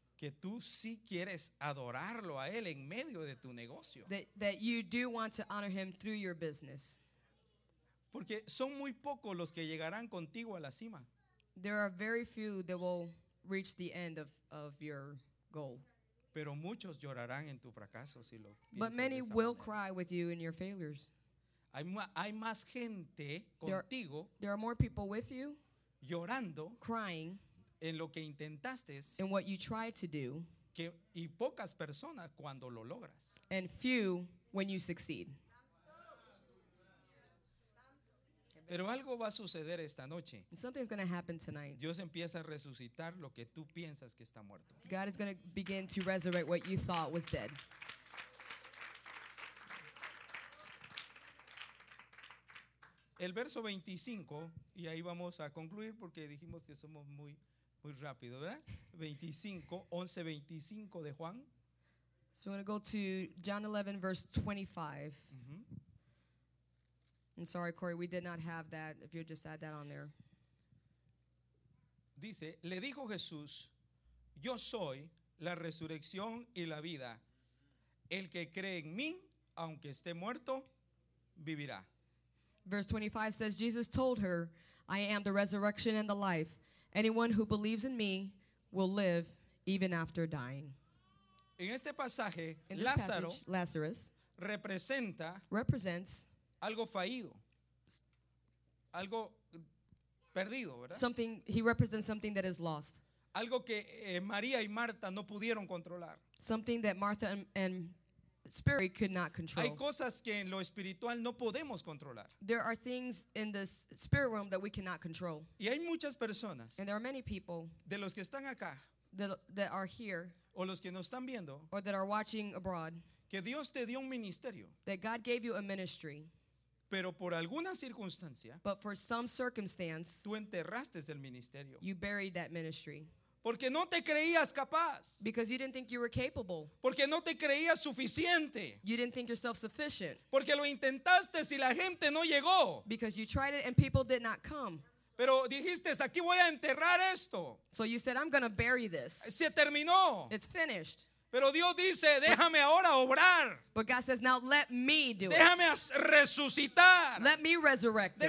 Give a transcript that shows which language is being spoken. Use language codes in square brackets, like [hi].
[es] Que tú sí quieres adorarlo a Él en medio de tu negocio. [en] That you do want to honor Him through your business. [es] Porque son muy pocos los que llegarán contigo a la cima. [en] There are very few that will reach the end of your goal. [es] Pero muchos llorarán en tu fracaso si lo piensas. [en] But many will cry with you in your failures. [es] Hay más gente contigo. [en] There are more people with you. [es] Llorando. [en] Crying. [es] En lo que intentaste. [en] In what you tried to do. [es] Que y pocas personas cuando lo logras. [en] And few when you succeed. [es] Pero algo va a suceder esta noche. [en] Something's going to happen tonight. [es] Dios empieza a resucitar lo que tú piensas que está muerto. [en] God is going to begin to resurrect what you thought was dead. [es] El verso 25, y ahí vamos a concluir porque dijimos que somos muy, muy rápido, ¿verdad? 25, 11:25 de Juan. [en] So we're going to go to John 11, verse 25. I'm sorry, Corey, we did not have that. If you just add that on there. [es] Dice, le dijo Jesús, yo soy la resurrección y la vida. El que cree en mí, aunque esté muerto, vivirá. [en] Verse 25 says, Jesus told her, I am the resurrection and the life. Anyone who believes in me will live even after dying. [es] En este pasaje, Lazarus [en] represents [es] algo fallido, algo perdido, ¿verdad? [en] Something, he represents something that is lost. [es] Algo que María y Marta no pudieron controlar. [en] Something that Martha and Spirit could not control. [es] Hay cosas que en lo espiritual no podemos controlar. [en] There are things in the spirit realm that we cannot control. [es] Y hay muchas personas. [en] And there are many people. [es] De los que están acá. [en] That are here. [es] O los que nos están viendo. [en] Or that are watching abroad. [es] Que Dios te dio un ministerio. [en] That God gave you a ministry. [es] Pero por alguna circunstancia. [en] But for some circumstance. [es] Tú enterraste el ministerio. [en] You buried that ministry. [es] Porque no te creías capaz. [en] Because you didn't think you were capable. [es] Porque no te creías suficiente. [en] You didn't think yourself sufficient. [es] Porque lo intentaste y la gente no llegó. [en] Because you tried it and people did not come. [es] Pero dijiste, aquí voy a enterrar esto. [en] So you said, I'm going to bury this. [es] Se terminó. [en] It's finished. [es] Pero Dios dice, déjame ahora obrar. [en] But God says, now let me do it. [es] Déjame resucitar. [en] Let me resurrect it.